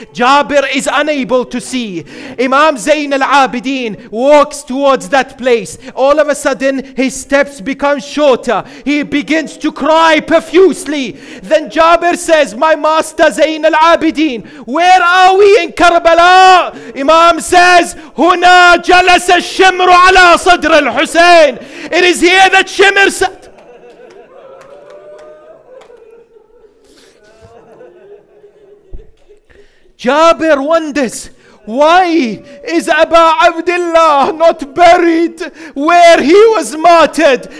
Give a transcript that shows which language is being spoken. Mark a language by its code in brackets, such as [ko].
[en] Jabir is unable to see. Imam Zain al-Abidin walks towards that place. All of a sudden, his steps become shorter. He begins to cry profusely. Then Jabir says, my master Zain al-Abidin, where are we in Karbala? [ar] Imam says, هُنَا جَلَسَ الشِّمْرُ عَلَى صَدْرِ الْحُسَيْنِ. [en] It is here that Shimr sat. Jabir wonders, why is Aba Abdullah not buried where he was martyred?